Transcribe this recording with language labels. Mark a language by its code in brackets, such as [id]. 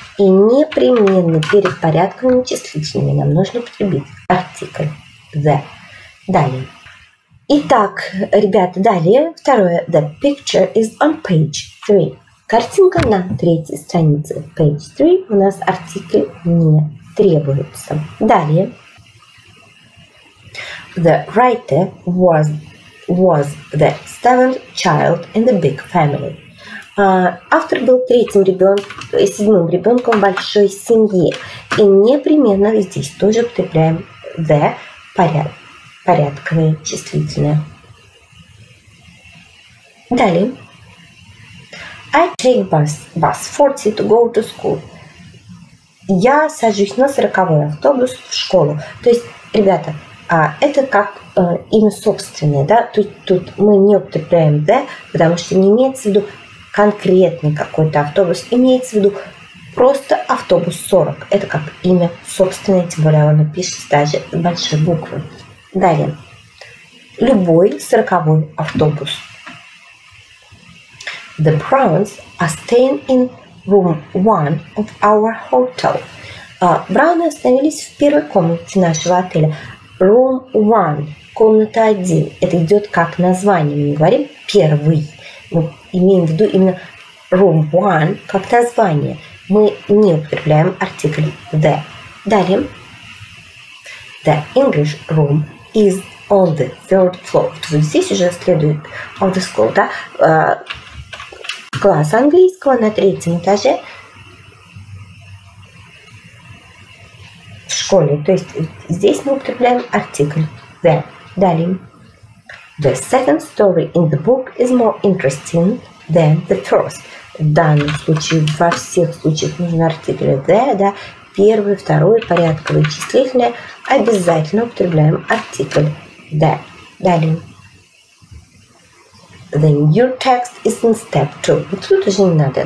[ru] И непременно перед порядковыми числительными нам нужно употребить артикль the. Далее. Итак, ребята, далее. Второе. [en] The picture is on page 3. [ru] Картинка на третьей странице. [en] Page 3. [ru] У нас артикль не требуется. Далее. [en] The writer was the seventh child in the big family. [ru] Автор был седьмым ребенком в большой семье. И непременно здесь тоже употребляем the порядок. Порядковое числительное. Далее. [en] I take bus 40 to go to school. [ru] Я сажусь на 40-й автобус в школу. То есть, ребята, это как имя собственное, да? Тут мы не употребляем the, потому что не имеется в виду конкретный какой-то автобус. Имеется в виду просто автобус 40. Это как имя собственное, тем более оно пишется даже с большой буквы. Далее. Любой 40-й автобус. [en] The Browns are staying in room 1 of our hotel. [ru] Брауны остановились в первой комнате нашего отеля. [en] Room 1. [ru] Комната 1. Это идет как название. Мы не говорим первый. Мы имеем в виду именно room 1 как название. Мы не употребляем артикль the. Далее. [en] The English room is on the third floor. [ru] То есть здесь уже следует [en] of the school, [ru] да? Класс английского на третьем этаже в школе. То есть здесь мы употребляем артикль the. Далее. [en] The second story in the book is more interesting than the first. [ru] В данном случае, во всех случаях нужен артикль the, да? Первый, второй, порядковое, числительное. Обязательно употребляем артикль the. Далее. [en] The new text is in step 2. [ru] Вот тут уже не надо.